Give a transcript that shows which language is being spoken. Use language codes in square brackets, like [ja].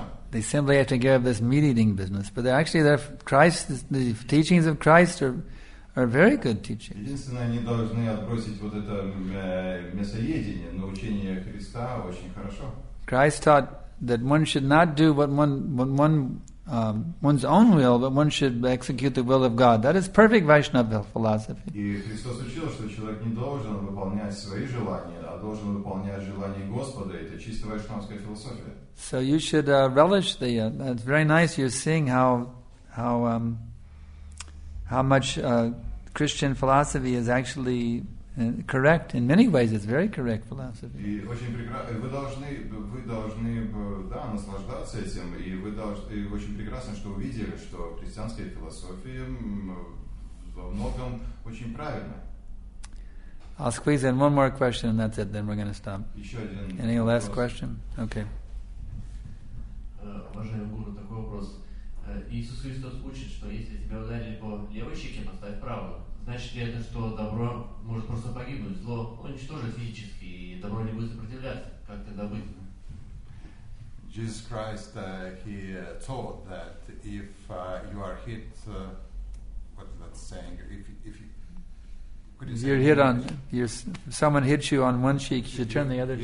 [en] They simply have to give up this meat-eating business. But the teachings of Christ are very good teachings. Christ taught that one should not do one's own will, but one should execute the will of God. That is perfect Vaishnava philosophy. [ru] И Христос учил, что человек не должен выполнять свои желания, а должен выполнять желания Господа. Это чисто вайшнавская философия. [en] So you should relish the. It's very nice. You're seeing how much Christian philosophy is actually correct in many ways. It's very correct philosophy. [ru] И очень прекрасно. Вы должны наслаждаться этим, и вы должны очень прекрасно, что увидели, что христианская философия во многом очень правильна. [en] I'll squeeze in one more question, and that's it. Then we're going to stop. [ru] Еще один. [en] Any last question? Okay. [ru] Уважаемый гуру, такой вопрос. Иисус Христос учит, что если тебя ударили по левой щеке, поставь правую. Значит ли это, что добро может просто погибнуть, зло уничтожить физически, и добро не будет сопротивляться? Как тогда быть? [en] Jesus Christ, he taught that if you are hit, what is that saying? If you, could you say you're hit on, you're, someone hits you on one cheek, you should turn the other cheek.